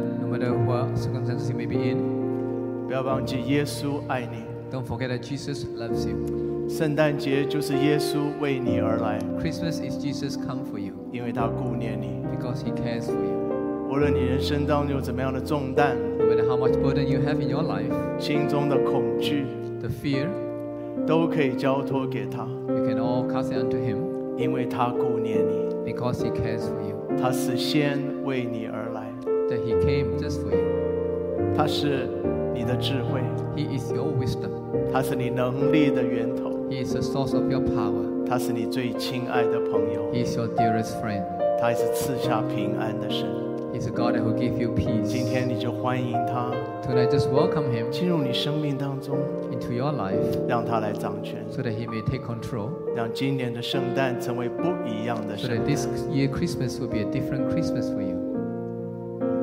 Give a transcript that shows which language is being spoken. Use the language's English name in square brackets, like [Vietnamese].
[English] no matter what circumstances you may be in, [Chinese] 不要忘记耶稣爱你。 [English] Don't forget that Jesus loves you. [Chinese] 圣诞节就是耶稣为你而来。 [English] Christmas is Jesus come for you. [Chinese] 因为他顾念你。 [English] Because he cares for you. [Chinese] 无论你人生当中有怎么样的重担。 [English] No matter how much burden you have in your life. [Chinese] 心中的恐惧。 [English] The fear. [Chinese] 都可以交托给他。 [English] You can all cast it unto him. [Chinese] 因为他顾念你。 [English] Because he cares for you. [Chinese] 他是先为你而来。 [English] That he came just for you. [Chinese] 他是你的智慧。 [English] He is your wisdom. [Chinese] 他是你能力的源头。 [English] He is the source of your power. [Chinese] 他是你最亲爱的朋友。 [English] He is your dearest friend. [Chinese] 他是赐下平安的神。 [English] He is a God that will give you peace. [Chinese] 今天你就欢迎他。 [English] Tonight just welcome him. [Chinese] 进入你生命当中。 [English] Into your life. [Chinese] 让他来掌权。 [English] So that he may take control. [Chinese] 让今年的圣诞成为不一样的圣诞。 [English] So that this year Christmas will be a different Christmas for you.